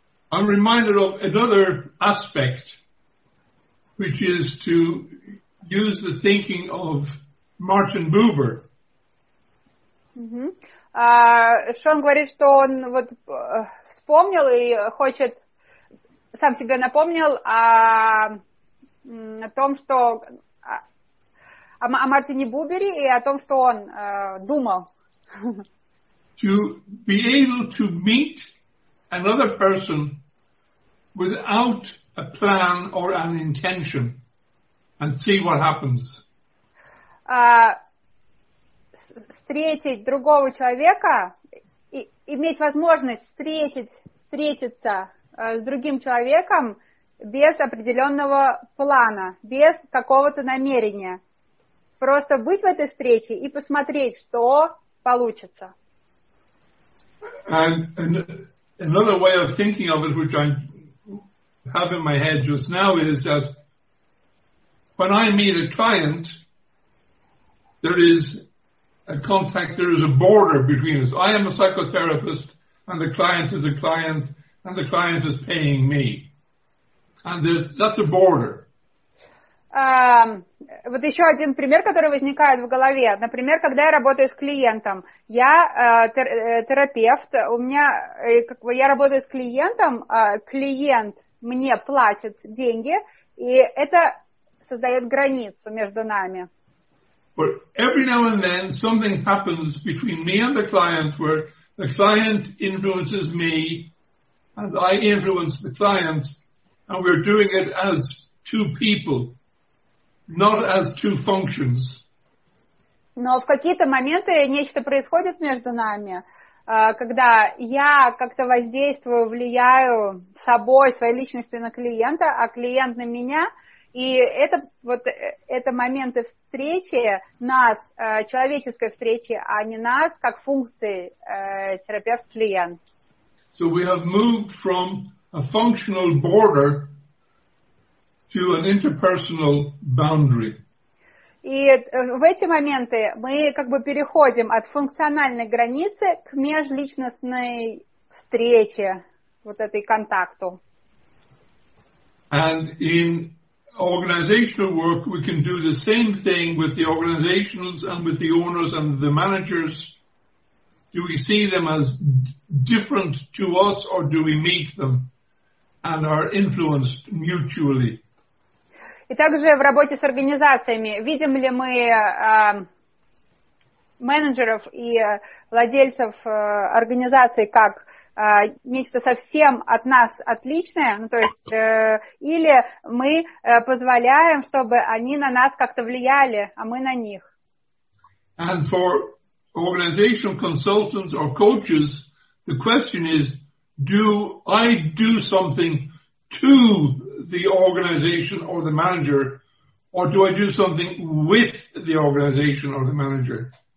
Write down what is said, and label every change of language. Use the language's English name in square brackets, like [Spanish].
[English] I'm reminded of another aspect, which is to use the thinking of Martin Buber. [Russian] Что он говорит, что он вот вспомнил и хочет, сам себе напомнил о том, что о Мартине Бубере и о том, что он думал. [English] To be able to meet another person without a plan or an intention. and see what happens. [Russian] Встретить другого человека, иметь возможность встретиться с другим человеком без определенного плана, без какого-то намерения. Просто быть в этой встрече и посмотреть, что получится. [English] And another way of thinking of it, which I have in my head just now, is that when I meet a client, there is a contact, there is a border between us. I am a psychotherapist, and the client is a client, and the client is paying me. And that's a border. [Russian] Вот еще один пример, который возникает в голове. Например, когда я работаю с клиентом, я терапевт, у меня, я работаю с клиентом, клиент мне платит деньги, и это создает границу между нами. [English] But every now and then something happens between me and the client where the client influences me and I influence the client, and we're doing it as two people, not as two functions. [Russian] Но в какие-то моменты нечто происходит между нами, когда я как-то воздействую, влияю собой, своей личностью на клиента, а клиент на меня. И это вот это моменты встречи нас, человеческой встречи, а не нас как функции терапевт-клиент. [English] So we have moved from a functional border to an interpersonal boundary. [Russian] И в эти моменты мы как бы переходим от функциональной границы к межличностной встрече, вот этой контакту. [English] And in organizational work, we can do the same thing with the organizations and with the owners and the managers. Do we see them as different to us, or do we meet them and are influenced mutually? [Russian] И также в работе с организациями, видим ли мы менеджеров и владельцев организации как нечто совсем от нас отличное, ну, то есть, или мы позволяем, чтобы они на нас как-то влияли, а мы на них. [English] And for organizational consultants or coaches, the question is, do I do something to the organization or the manager, or do I do something with the organization or the manager?